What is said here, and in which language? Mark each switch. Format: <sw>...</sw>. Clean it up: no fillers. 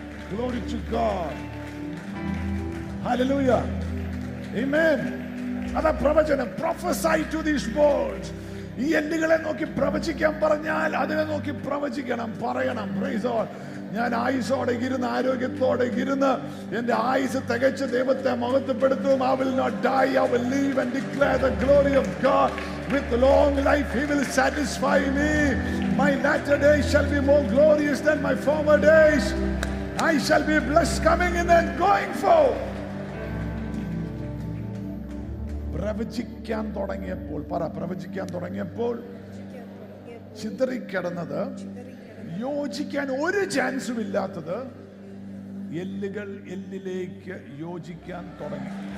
<en>Glory to God. Hallelujah. Amen.</en> <ml>അതാ പ്രവചനം.</ml> <en>Prophesy to these bones.</en> <ml>ഈ എല്ലുകളെ നോക്കി പ്രവചിക്കാൻ പറഞ്ഞാൽ അതിനെ നോക്കി പ്രവചിക്കണം, പറയണം.</ml> <en>Praise God.</en> <ml>ഞാൻ ആയുസോടെ ഇരുന്ന്, ആരോഗ്യത്തോടെ ഇരുന്ന് എന്റെ ആയുസ് തികച്ച് ദൈവത്തെ മഹത്വപ്പെടുത്തും.</ml> <en>I will not die, I will live and declare the glory of God. With long life he will satisfy me. My latter days shall be more glorious than my former days. I shall be blessed coming in and going forth.</en> <ml>പ്രവചിക്കാൻ തുടങ്ങിയപ്പോൾ, പറ, പ്രവചിക്കാൻ തുടങ്ങിയപ്പോൾ ചിതറിക്കിടന്നത്, യോജിക്കാൻ ഒരു ചാൻസും ഇല്ലാത്തത്, എല്ലുകൾ എല്ലിലേക്ക് യോജിക്കാൻ തുടങ്ങി.</ml>